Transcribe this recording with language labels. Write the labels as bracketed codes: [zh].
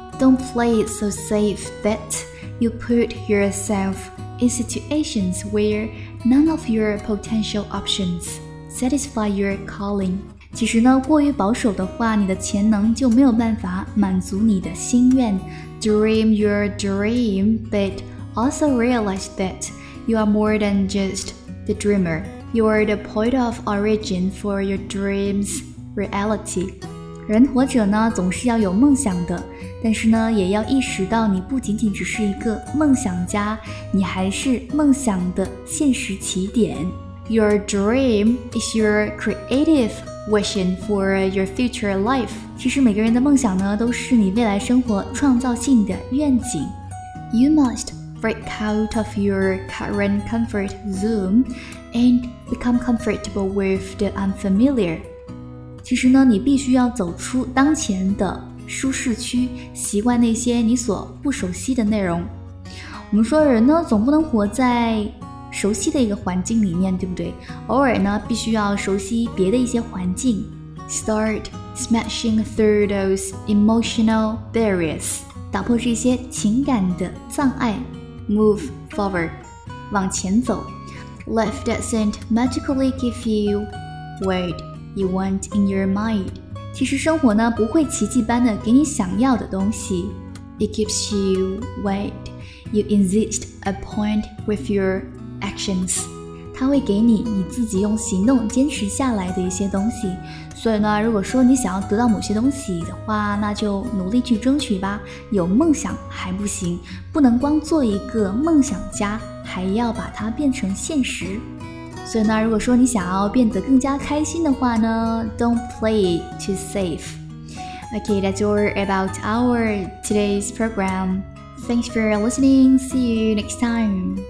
[en] Don't play it so safe that you put yourself in situations where none of your potential options satisfy your calling. [zh] 其实呢，过于保守的话，你的潜能就没有办法满足你的心愿。 [en] Dream your dream, but also realize that you are more than just the dreamer. You are the point of origin for your dream's reality. [zh] 人活着呢，总是要有梦想的，但是呢，也要意识到你不仅仅只是一个梦想家，你还是梦想的现实起点。 [en] Your dream is your creative vision for your future life. [zh] 其实每个人的梦想呢，都是你未来生活创造性的愿景。 [en] You must break out of your current comfort zone and become comfortable with the unfamiliar. [zh] 其实呢，你必须要走出当前的舒适区，习惯那些你所不熟悉的内容。我们说人呢，总不能活在熟悉的一个环境里面，对不对？偶尔呢，必须要熟悉别的一些环境。 [en] Start smashing through those emotional barriers. [zh] 打破这些情感的障碍。 [en] Move forward. [zh] 往前走。 [en] Life doesn't magically give you weightYou want in your mind. [zh] 其实生活呢不会奇迹般的给你想要的东西。 [en] It keeps you wait. You insist a point with your actions. [zh] 它会给你你自己用行动坚持下来的一些东西。所以呢，如果说你想要得到某些东西的话，那就努力去争取吧。有梦想还不行，不能光做一个梦想家，还要把它变成现实。所以呢，如果说你想要变得更加开心的话呢， [en] Don't play too safe. Okay, that's all about our today's program. Thanks for listening. See you next time.